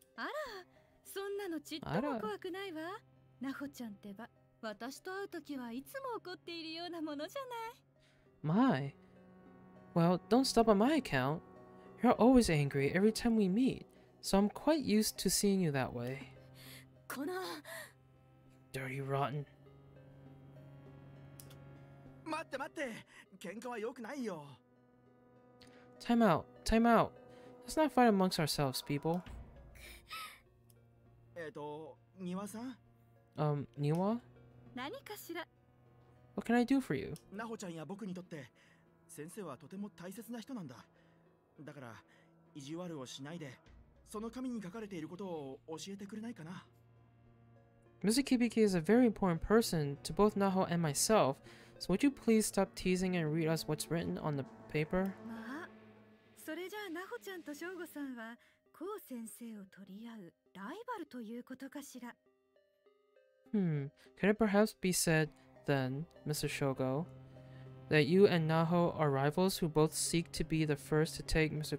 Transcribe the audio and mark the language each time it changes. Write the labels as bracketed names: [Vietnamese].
[Japanese] Ara, そんなのちっとも怖くないわ。ナホちゃんってば、私と会うときはいつも怒っているようなものじゃない。 [English] My. Well, don't stop on my account. You're always angry every time we meet, so I'm quite used to seeing you that way. [Japanese] この… [English] Dirty rotten. [Japanese] 待って待って、喧嘩は良くないよ。 [English] Time out, time out. Let's not fight amongst ourselves, people. [Japanese] 庭さん？ [English] Niwa? [Japanese] 何かしら？ [English] What can I do for you? [Japanese] ナホちゃんや僕にとって、先生はとても大切な人なんだ。だから、意地悪をしないで、その紙に書かれていることを教えてくれないかな？ [English] Mr. Kibiki is a very important person to both Naho and myself, so would you please stop teasing and read us what's written on the paper? [Japanese] それじゃあ、ナホちゃんとショウゴさんは、コウ先生を取り合うライバルということかしら。 [English] Can it perhaps be said, then, Mr. Shogo, that you and Naho are rivals who both seek to be the first to take Mr.